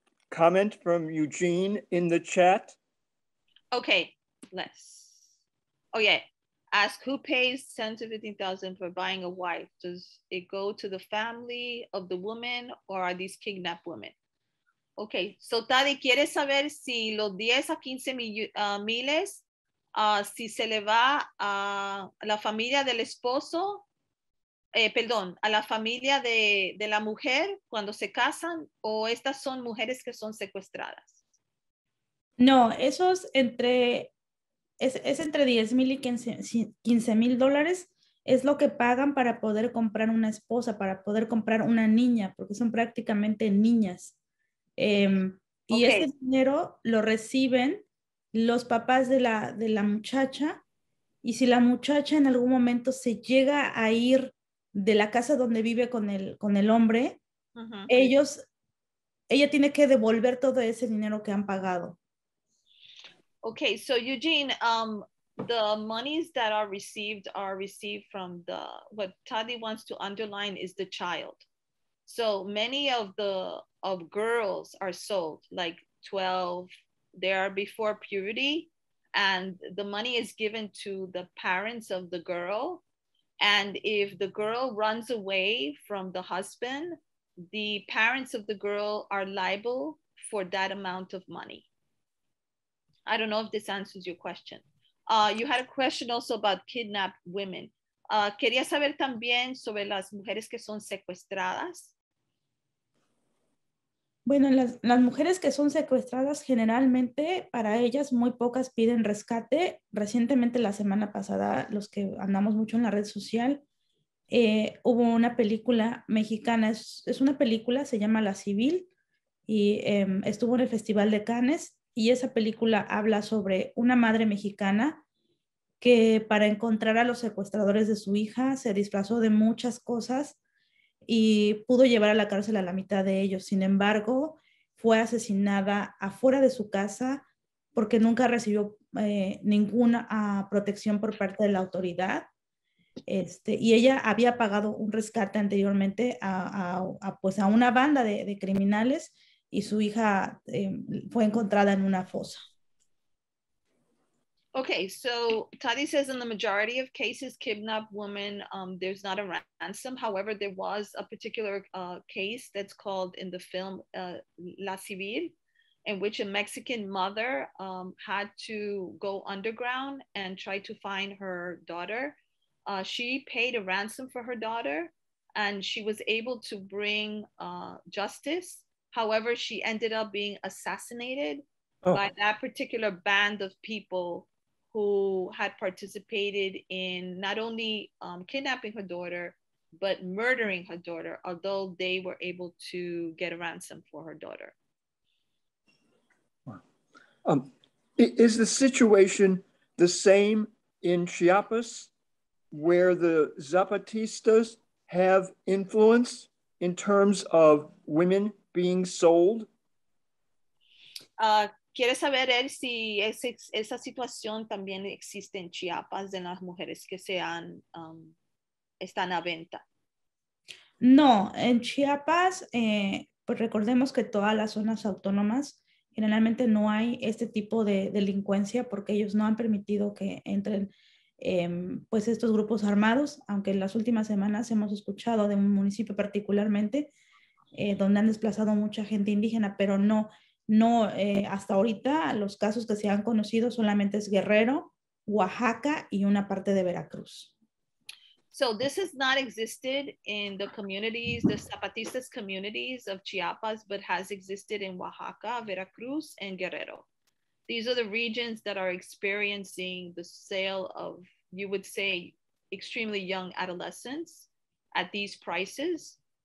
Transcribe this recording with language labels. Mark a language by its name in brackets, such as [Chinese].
[English] Comment from Eugene in the chat? Okay, let's... Oh yeah, ask who pays $10,000 to $15,000 for buying a wife? Does it go to the family of the woman or are these kidnapped women? Okay, so [Spanish] Tadii quiere saber si los 10 a 15 miles, si se le va a la familia del esposo, a la familia de la mujer cuando se casan, o estas son mujeres que son secuestradas. No, eso es entre 10 mil y 15 mil dólares, es lo que pagan para poder comprar una esposa, para poder comprar una niña, porque son prácticamente niñas. Ese dinero lo reciben los papás de la muchacha, y si la muchacha en algún momento se llega a ir de la casa donde vive con el hombre, uh-huh. ella tiene que devolver todo ese dinero que han pagado. [English] Okay, so Eugene, the monies that are received from what Tadii wants to underline is the child. So many of girls are sold, like 12, they are before puberty, and the money is given to the parents of the girl. And if the girl runs away from the husband, the parents of the girl are liable for that amount of money. I don't know if this answers your question. You had a question also about kidnapped women. [Spanish] Quería saber también sobre las mujeres que son secuestradas. Bueno, las mujeres que son secuestradas generalmente para ellas muy pocas piden rescate. Recientemente la semana pasada, los que andamos mucho en la red social, hubo una película mexicana, es una película, se llama La Civil, y estuvo en el Festival de Cannes, y esa película habla sobre una madre mexicana que para encontrar a los secuestradores de su hija se disfrazó de muchas cosas y pudo llevar a la cárcel a la mitad de ellos. Sin embargo, fue asesinada afuera de su casa porque nunca recibió ninguna protección por parte de la autoridad. Y ella había pagado un rescate anteriormente a una banda de criminales y su hija fue encontrada en una fosa. [English] Okay, so Tadii says in the majority of cases, kidnap women, there's not a ransom. However, there was a particular case that's called in the film La Civil, in which a Mexican mother had to go underground and try to find her daughter. She paid a ransom for her daughter and she was able to bring justice. However, she ended up being assassinated by that particular band of people who had participated in not only kidnapping her daughter, but murdering her daughter, although they were able to get a ransom for her daughter. Is the situation the same in Chiapas, where the Zapatistas have influence in terms of women being sold? [Spanish] ¿Quieres saber él si esa situación también existe en Chiapas de las mujeres que sean están a venta? No, en Chiapas, pues recordemos que todas las zonas autónomas generalmente no hay este tipo de delincuencia porque ellos no han permitido que entren pues estos grupos armados, aunque en las últimas semanas hemos escuchado de un municipio particularmente donde han desplazado mucha gente indígena, pero no. No, hasta ahorita los casos que se han conocido solamente es Guerrero, Oaxaca, y una parte de Veracruz. [English] So this has not existed in the communities, the Zapatistas communities of Chiapas, but has existed in Oaxaca, Veracruz, and Guerrero. These are the regions that are experiencing the sale of, you would say, extremely young adolescents at these prices.